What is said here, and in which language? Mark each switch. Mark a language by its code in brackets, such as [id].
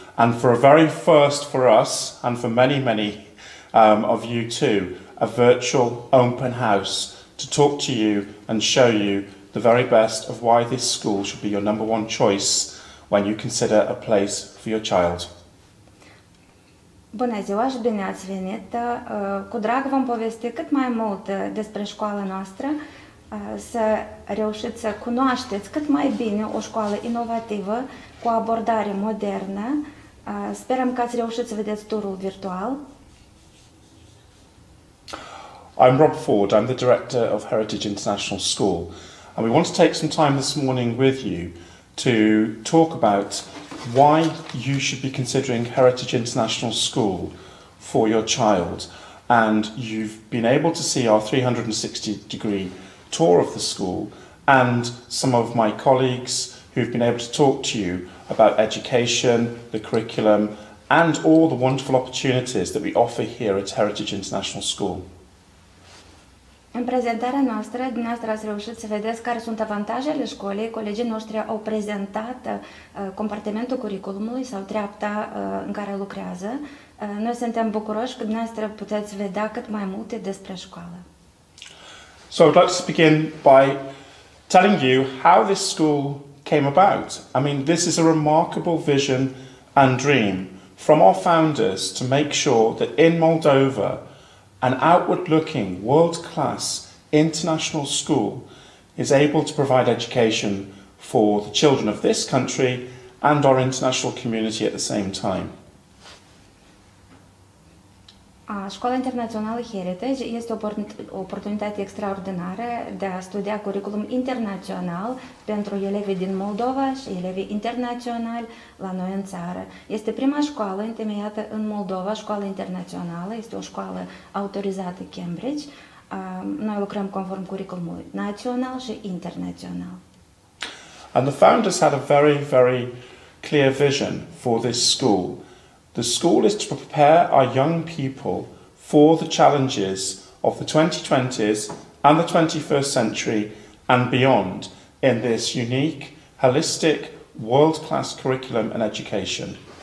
[en] And for a very first for us, and for many, many of you too, a virtual open house to talk to you and show you the very best of why this school should be your number one choice when you consider a place for your child. [ro] Bună ziua și bine ați venit! Cu drag vom povesti cât mai mult despre școala noastră, să reușiți să cunoașteți cât mai bine o școală inovativă cu abordare modernă. Sperăm că ați reușit să vedeți turul virtual. [en] I'm Rob Ford, I'm the director of Heritage International School, and we want to take some time this morning with you to talk about why you should be considering Heritage International School for your child. And you've been able to see our 360 degree tour of the school and some of my colleagues who've been able to talk to you about education, the curriculum and all the wonderful opportunities that we offer here at Heritage International School. [ro] În prezentarea noastră, dumneavoastră ați reușit să vedeți care sunt avantajele școlii. Colegii noștri au prezentat compartimentul curriculumului sau treapta în care lucrează. Noi suntem bucuroși că dumneavoastră puteți vedea cât mai multe despre școală. [en] So I'd like to begin by telling you how this school came about. I mean, this is a remarkable vision and dream from our founders to make sure that in Moldova, an outward-looking, world-class, international school is able to provide education for the children of this country and our international community at the same time. [ro] Școala Internațională Heritage este o oportunitate extraordinară de a studia curriculum internațional pentru elevii din Moldova și elevii internaționali la noi în țară. Este prima școală întemeiată în Moldova, școală internațională, este o școală autorizată Cambridge. Noi lucrăm conform curriculumului național și internațional. [en] And the founders had a very, very clear vision for this school. The school is to prepare our young people for the challenges of the 2020s and the 21st century and beyond in this unique, holistic, world-class curriculum and education.